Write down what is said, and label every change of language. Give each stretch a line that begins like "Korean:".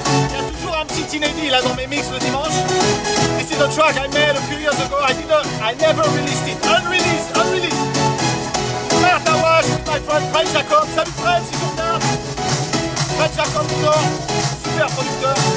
English: There's
French: toujours un petit inédit là dans mes mix le dimanche.
English: This is a track I made a few years ago. I never released it. Unreleased. Marta Wash with my friend Fred Jacob.
French: Salut Fred, si vous êtes là. Fred Jacob, super producteur.